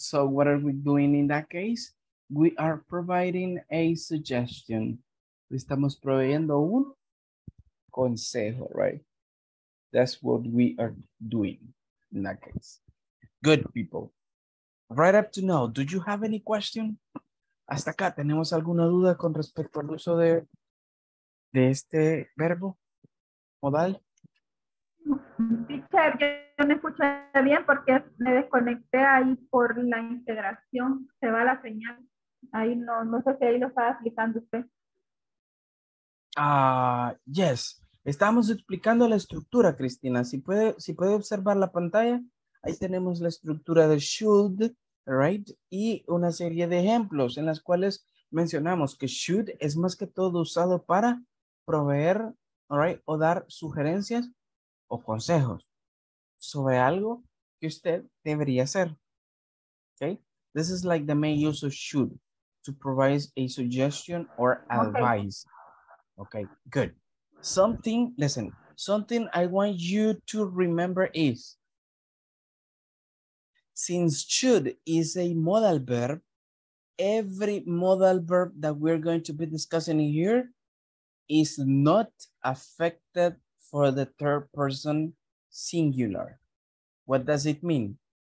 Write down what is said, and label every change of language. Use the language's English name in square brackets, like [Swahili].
[English] So what are we doing in that case? We are providing a suggestion. [Spanish] Estamos proveyendo un consejo, right? [English] That's what we are doing in that case. Good people. Right up to now, do you have any question? [Spanish] Hasta acá, ¿tenemos alguna duda con respecto al uso de este verbo modal? Teacher, yo no escuché bien porque me desconecté ahí por la integración. Se va la señal. Ahí no, no sé si ahí lo estaba explicando usted. Yes. Estamos explicando la estructura, Cristina. Si puede observar la pantalla, ahí tenemos la estructura de should. Right? Y una serie de ejemplos en las cuales mencionamos que should es más que todo usado para proveer, all right, o dar sugerencias o consejos sobre algo que usted debería hacer. [English] Okay? This is like the main use of should, to provide a suggestion or advice. Okay, good. Something, listen, something I want you to remember is, since should is a modal verb, every modal verb that we're going to be discussing here is not affected for the third person singular. What does it mean?